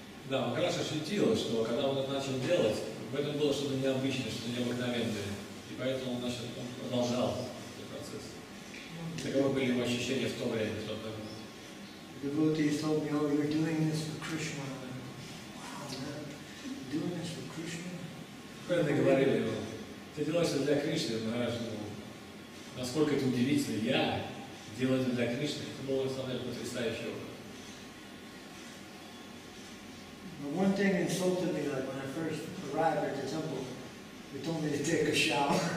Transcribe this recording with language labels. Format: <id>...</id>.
<ru>Да, он хорошо ощутил, что когда он это начал делать, в этом было что-то необычное, что-то необыкновенное. И поэтому он продолжал этот процесс. Таковы были его ощущения в то время, в тот момент.</ru> <en>Devotee told me, oh, you're doing this for Krishna. Wow, man. You're doing this for Krishna?</en> <ru>Преданные говорили ему, ты делаешь это для Кришны, Махарадж, насколько это удивительно, я делаю это для Кришны. Это было, на самом деле, потрясающе.</ru> <en>But one thing insulted me, like when I first arrived at the temple, they told me to take a shower.</en>